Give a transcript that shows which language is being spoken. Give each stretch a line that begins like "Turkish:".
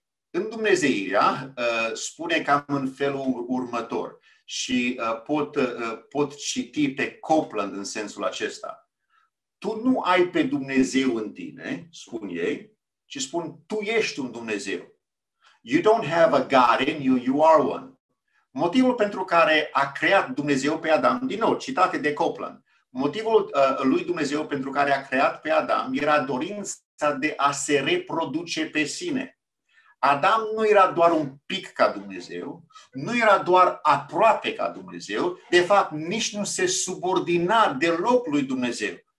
Romanian: Îndumnezeirea spune cam în felul următor și pot citi pe Copland în sensul acesta. Tu nu ai pe Dumnezeu în tine, spun ei, ci spun tu ești un Dumnezeu.
English: You don't have a God in you, you are one.
Romanian: Motivul pentru care a creat Dumnezeu pe Adam, din nou, citate de Copland, motivul lui Dumnezeu pentru care a creat pe Adam era dorința de a se reproduce pe sine. Adam nu era doar un pic ca Dumnezeu, nu era doar aproape ca Dumnezeu, de fapt nici nu se subordina deloc lui Dumnezeu.